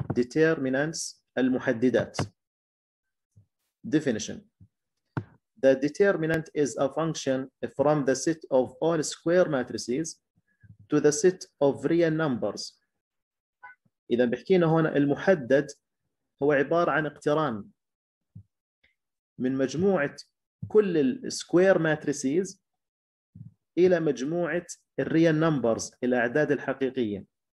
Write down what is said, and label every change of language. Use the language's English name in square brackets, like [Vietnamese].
[English] determinants المحددات. Definition: the determinant is a function from the set of all square matrices to the set of real numbers. [Arabic] إذا بحكينا هنا المحدد هو عبارة عن اقتران من مجموعة كل الـ [English] square matrices [Arabic] إلى مجموعة الـ [English] real numbers، [Arabic] الأعداد الحقيقية.